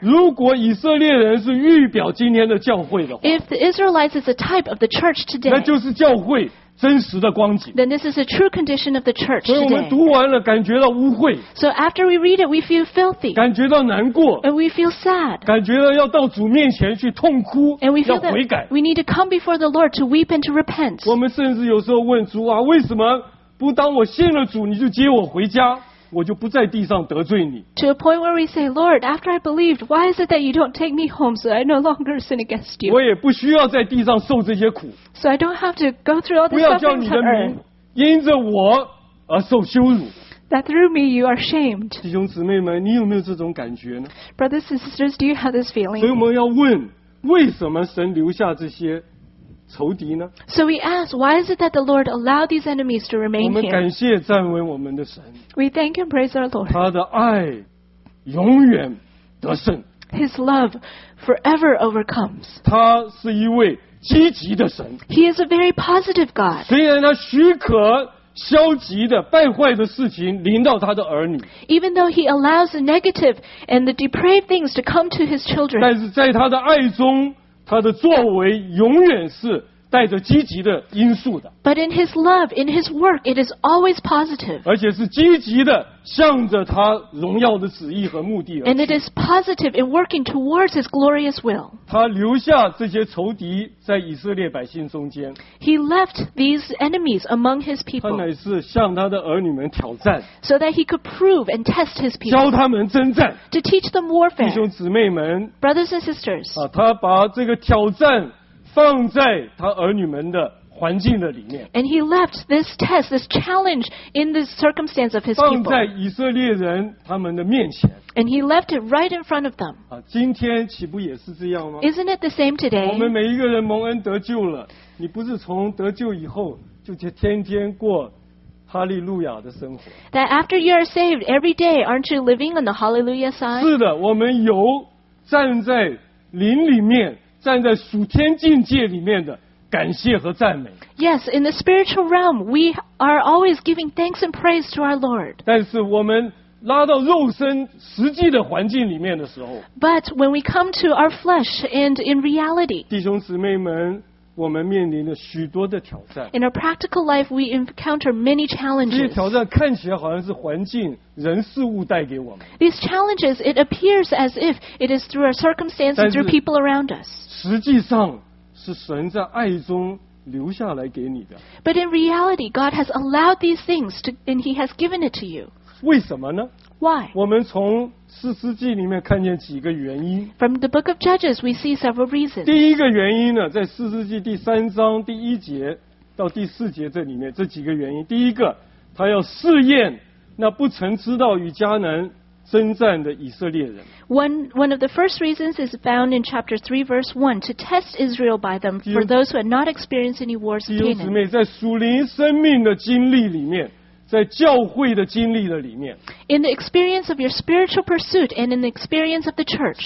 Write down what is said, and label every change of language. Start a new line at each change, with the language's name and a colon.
Chinese: 如果以色列人是预表今天的教会的话，
English: If the Israelites is a type of the church today,
Chinese: 那就是教会真实的光景。
English: Then this is a true condition of the church today.
Chinese: 所以我们读完了，感觉到污秽。
English: So after we read it, we feel filthy.
Chinese: 感觉到难过。
English: And we feel sad.
Chinese: 感觉到要到主面前去痛哭，要悔改。
English: And we feel that we need to come before the Lord to weep and to repent.
Chinese: 我们甚至有时候问主啊，为什么不当我信了主，你就接我回家？我就不在地上得罪你。
English: To a point where we say, Lord, after I believed, why is it that you don't take me home so I no longer sin against you?
Chinese: 我也不需要在地上受这些苦。
English: So I don't have to go through all the sufferings on earth.
Chinese: 不要叫你的名因着我而受羞辱。
English: That through me you are shamed.
Chinese: 弟兄姊妹们，你有没有这种感觉呢？
English: Brothers and sisters, do you have this feeling?
Chinese: 所以我们要问，为什么神留下这些仇敌呢？
English: So we ask, why is it that the Lord allowed these enemies to remain here?
Chinese: 我们感谢赞美我们的神。
English: We thank and praise our Lord.
Chinese: 他的爱永远得胜。
English: His love forever overcomes.
Chinese: 他是一位积极的神。
English: He is a very positive God.
Chinese: 虽然他许可消极的败坏的事情临到他的儿女。
English: Even though he allows the negative and the depraved things to come to his children.
Chinese: 但是在他的爱中，他的作为永远是带着积极的因素的。
English: But in his love, in his work, it is always positive.
Chinese: 而且是积极的向着他荣耀的旨意和目的而去。
English: And it is positive in working towards his glorious will.
Chinese: 他留下这些仇敌在以色列百姓中间。
English: He left these enemies among his people.
Chinese: 他乃是向他的儿女们挑战。
English: So that he could prove and test his people.
Chinese: 教他们征战。
English: To teach them warfare.
Chinese: 弟兄姊妹们。
English: Brothers and sisters.
Chinese: 啊，他把这个挑战放在他儿女们的环境的里面。
English: And he left this test, this challenge in the circumstance of his people.
Chinese: 放在以色列人他们的面前。
English: And he left it right in front of them.
Chinese: 啊，今天岂不也是这样吗？
English: Isn't it the same today?
Chinese: 我们每一个人蒙恩得救了，你不是从得救以后就天天过哈利路亚的生活。
English: That after you are saved, every day, aren't you living on the hallelujah side?
Chinese: 是的，我们有站在灵里面，站在属天境界里面的感谢和赞美。
English: Yes, in the spiritual realm, we are always giving thanks and praise to our Lord.
Chinese: 但是我们拉到肉身实际的环境里面的时候，
English: But when we come to our flesh and in reality,
Chinese: 弟兄姊妹们，我们面临了许多的挑战。
English: In our practical life, we encounter many challenges.
Chinese: 这些挑战看起来好像是环境、人事物带给我们。
English: These challenges, it appears as if it is through our circumstances, through people around us.
Chinese: 实际上是神在爱中留下来给你的。
English: But in reality, God has allowed these things to, and He has given it to you.
Chinese: 为什么呢？
English: Why?
Chinese: 我们从四世纪里面看见几个原因。
English: From the book of Judges, we see several reasons.
Chinese: 第一个原因呢，在四世纪第三章第一节到第四节这里面，这几个原因。第一个，他要试验那不曾知道与迦南征战的以色列人。
English: One of the first reasons is found in chapter 3, verse 1, to test Israel by them for those who had not experienced any wars in Canaan.
Chinese: 弟兄姊妹，在属灵生命的经历里面，在教会的经历的里面，
English: In the experience of your spiritual pursuit and in the experience of the church,